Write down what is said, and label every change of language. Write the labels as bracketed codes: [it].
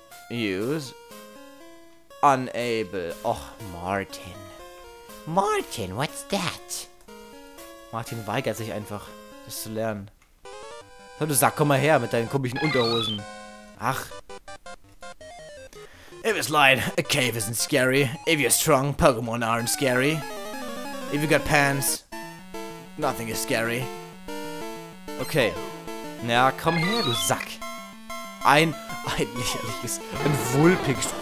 [en] Use. Unable. Och, Martin. Martin, what's that? [de] Martin weigert sich einfach, das zu lernen. So, du Sack, komm mal her mit deinen komischen Unterhosen. Ach. [en] If it's light, a cave isn't scary. If you're strong, Pokémon aren't scary. If you got pants, nothing is scary. [de] Okay. Na, komm her, du Sack. Ein lächerliches, ein Vulpix.